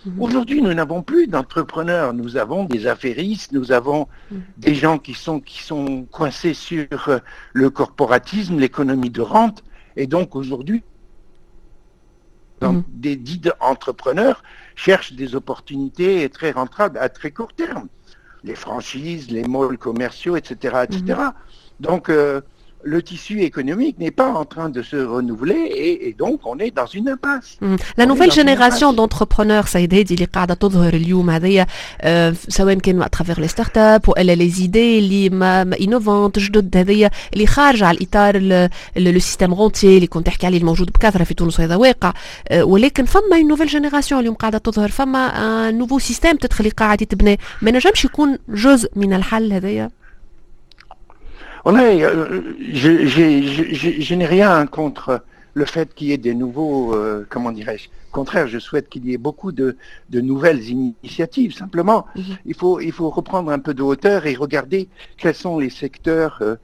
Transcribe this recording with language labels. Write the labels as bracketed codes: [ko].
[fr] Aujourd'hui, nous n'avons plus d'entrepreneurs, nous avons des affairistes, nous avons des gens qui sont coincés sur le corporatisme, l'économie de rente, et donc aujourd'hui, des dits entrepreneurs cherchent des opportunités très rentables à très court terme, les franchises, les malls commerciaux, etc. etc. Donc, le tissu économique n'est pas en train de se renouveler et donc on est dans une impasse. La nouvelle génération d'entrepreneurs, Saïd Hedi, il est [ar] قاعده تظهر اليوم هذه سواء كان [fr] à travers les start-up ou elle a les idées les innovantes, [ar] جدد هذه اللي خارج على الاطار [fr] le système rentier [ar] اللي كنت تحكي عليه الموجود بكثره في تونس وهذا واقع ولكن فما [fr] une nouvelle génération [ar] اليوم قاعده تظهر فما [fr] un nouveau système peut-être [ar] اللي قاعد يتبنى ما نجمش يكون جزء من الحل هذه. [fr] Voilà, je n'ai rien contre le fait qu'il y ait des nouveaux, comment dirais-je, au contraire, je souhaite qu'il y ait beaucoup de nouvelles initiatives. Simplement, il faut reprendre un peu de hauteur et regarder quels sont les secteurs